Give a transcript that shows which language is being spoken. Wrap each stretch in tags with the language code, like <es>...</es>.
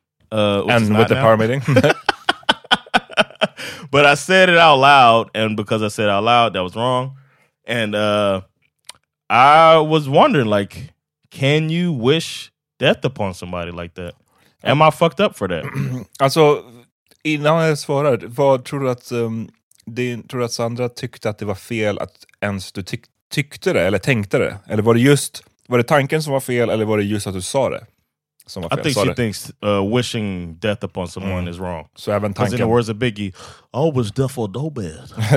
<en>And with the power meeting. But I said it out loud. And because I said it out loud, that was wrong. And I was wondering, like, can you wish death upon somebody like that? Am I fucked up for that?</en> <sv>Alltså, innan jag svarar, vad tror du att tror att Sandra tyckte att det var fel att ens du tyckte det eller tänkte det? Eller var det tanken som var fel, eller var det just att du sa det som var fel?</sv> <en>I think she thinks wishing death upon someone is wrong.</en> <sv>So även tanken.</sv> <en>Because in the words of Biggie, all was death or no bed.</en>